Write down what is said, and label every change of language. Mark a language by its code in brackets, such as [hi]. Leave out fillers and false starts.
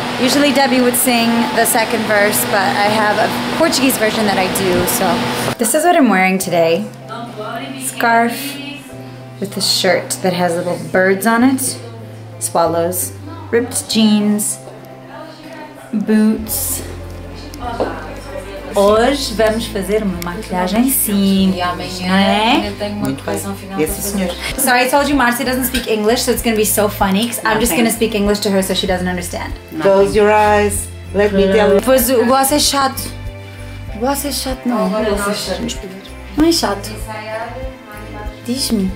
[en] Usually Debbie would sing the second verse, but I have a Portuguese version that I do, so. This is what I'm wearing today. Scarf with a shirt that has little birds on it, swallows, ripped jeans, boots. [pt] Hoje vamos fazer uma maquilhagem simples, não é? [en] Sorry, I told you Marcy doesn't speak English, so it's gonna be so funny because I'm just gonna speak English to her so she doesn't understand. Close your eyes. Let me tell you. [pt] Pois o gloss é chato. O gloss é chato, não. Não, não é chato. Diz-me.